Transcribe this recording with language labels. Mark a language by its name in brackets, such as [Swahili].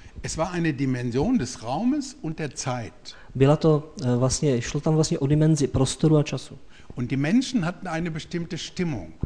[German] Es war eine Dimension des Raumes und der Zeit. [Czech] Byla to vlastně, šlo tam vlastně o dimenzi prostoru a času. [German] Und die Menschen hatten eine bestimmte Stimmung.